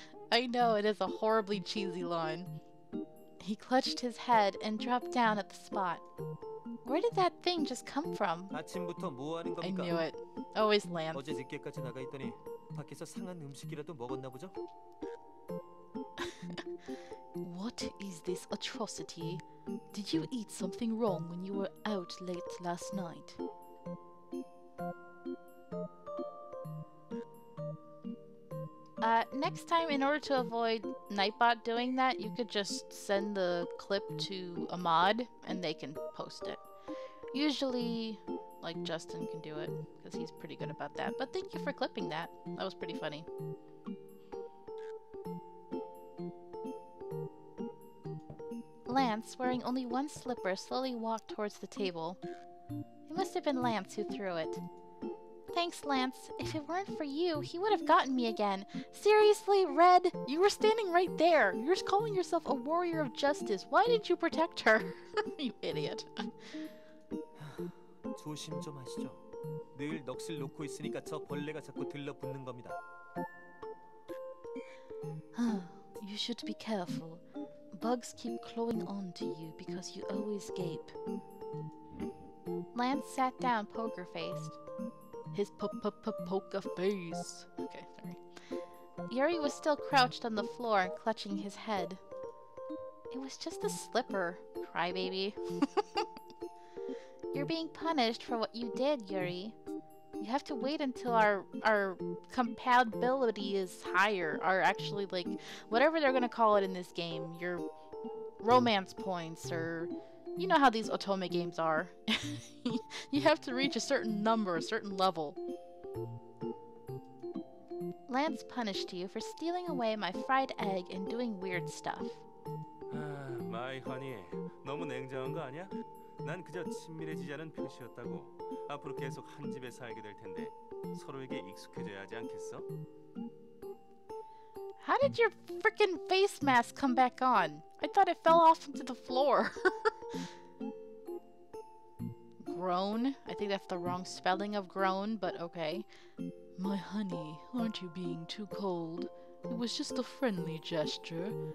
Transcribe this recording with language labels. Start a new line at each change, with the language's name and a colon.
English: I know, it is a horribly cheesy line. He clutched his head and dropped down at the spot. Where did that thing just come from? I knew it. Always Lance.
Korean: 어제 늦게까지 나가 있더니 밖에서 상한 음식이라도 먹었나 보죠?
English: What is this atrocity? Did you eat something wrong when you were out late last night? Next time, in order to avoid Nightbot doing that, you could just send the clip to a mod and they can post it. Usually, like, Justin can do it because he's pretty good about that. But thank you for clipping that. That was pretty funny. Lance, wearing only one slipper, slowly walked towards the table. It must have been Lance who threw it. Thanks, Lance. If it weren't for you, he would have gotten me again. Seriously, Red? You were standing right there. You're calling yourself a warrior of justice. Why didn't you protect her? You idiot.
Korean: 조심 좀 하시죠. 늘 넋을 놓고 있으니까 저 벌레가 자꾸 들러붙는 겁니다.
English: You should be careful. Bugs keep clawing on to you because you always gape. Lance sat down poker-faced. His poker face. Okay, sorry. Yuri was still crouched on the floor, clutching his head. It was just a slipper, crybaby. You're being punished for what you did, Yuri. You have to wait until our compatibility is higher, or actually, like, whatever they're gonna call it in this game, your romance points, or... You know how these otome games are. You have to reach a certain number, a certain level. Lance punished you for stealing away my fried egg and doing weird stuff. My honey,
Korean: 너무 냉정한 거 아니야? 난 그저 친밀해지지 않은 표시였다고. 앞으로 계속 한 집에 살게 될 텐데 서로에게 익숙해져야 하지 않겠어?
English: How did your freaking face mask come back on? I thought it fell off into the floor. Groan? I think that's the wrong spelling of groan, but okay. My honey, aren't you being too cold? It was just a friendly gesture.